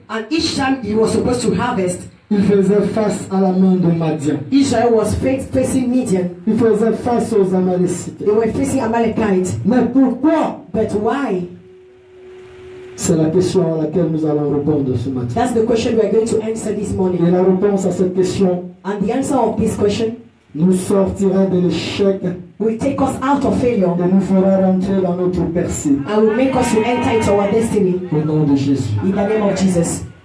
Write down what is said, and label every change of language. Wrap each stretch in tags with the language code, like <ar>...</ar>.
<en>and each time he was supposed to harvest,</en> <fr>Il faisait face à la main de Madian.</fr> <en>Israel was facing Midian.</en> <fr>Il faisait face aux Amalécites.</fr> <en>They were facing Amalekites.</en> <fr>Mais pourquoi?</fr> <en>But why?</en> <fr>C'est la question à laquelle nous allons répondre ce matin.</fr> <en>That's the question we are going to answer this morning.</en> <fr>Et la réponse à cette question.</fr> <en>And the answer of this question.</en> <fr>Nous sortira de l'échec.</fr> <en>Will take us out of failure.</en> <fr>Et nous fera rentrer dans notre percée.</fr> <en>And will make us to enter into our destiny.</en> <fr>Au nom de Jésus.</fr> <en>In the name of Jesus.</en>